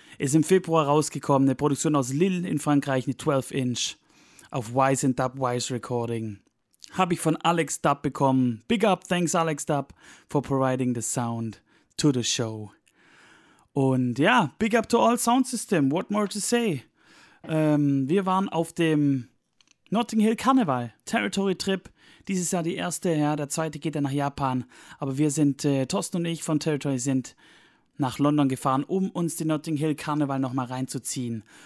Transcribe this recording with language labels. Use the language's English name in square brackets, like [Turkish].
[German] Ist im Februar rausgekommen, eine Produktion aus Lille in Frankreich, eine 12-Inch auf Wise and Dub Wise Recording. habe ich von Alex Dub bekommen. [English] Big up, thanks Alex Dub for providing the sound to the show. [German] Und ja, [English] big up to all Sound System, what more to say? [German] Wir waren auf dem Notting Hill Karneval Territory Trip. Dieses Jahr die erste, ja, der zweite geht ja nach Japan. Aber wir sind, Thorsten und ich von Territory sind nach London gefahren, um uns den Notting Hill Karneval nochmal reinzuziehen.